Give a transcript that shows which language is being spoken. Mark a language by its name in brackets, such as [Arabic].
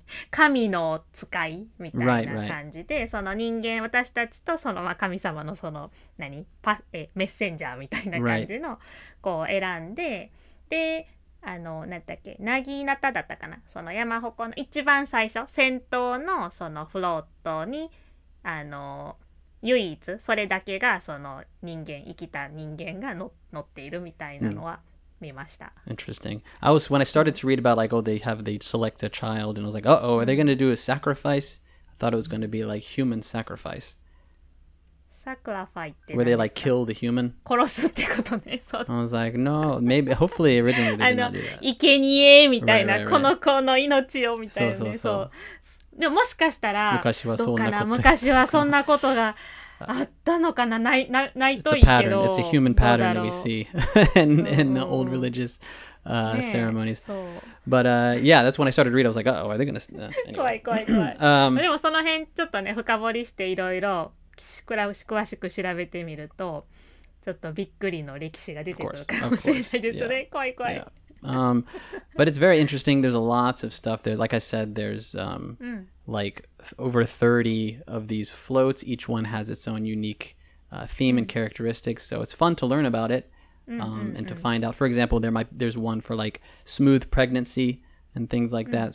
[Japanese] 神の使いみたいな感じで、その人間、私たちとその、まあ、神様のその何メッセンジャーみたいな感じの、こう選んで、で、何だっけ、なぎなただったかな、その山鉾の一番最初、先頭のそのフロートに、唯一、それだけがその人間、生きた人間が乗っているみたいなのは、 [English] Interesting. I was, when I started to read about like, oh, they select a child, and I was like, uh-oh, are they going to do a sacrifice? I thought it was going to be like human sacrifice. Sacrifice. Where they like kill the human. [Japanese] 殺すってことね。そう。 [English] I was like, no, maybe, hopefully originally they did not do that. [Japanese] 生贄みたいな、この子の命をみたいなね。そうそうそう。でももしかしたら、昔はそんなこと。昔はそんなことが。あったのかな、ないといいけど。 [English] It's a pattern. It's a human pattern that we see in the old religious ceremonies. But yeah, that's when I started to read. I was like, oh, are they gonna? [Japanese] 怖い。でもその辺ちょっとね、深掘りしていろいろ詳しく調べてみると、ちょっとびっくりの歴史が出てくるかもしれないですね。怖い怖い。 [English] But it's very interesting. There's lots of stuff there. Like I said, there's like over 30 of these floats. Each one has its own unique theme and characteristics. So it's fun to learn about it and to find out. For example, there's one for like smooth pregnancy and things like that.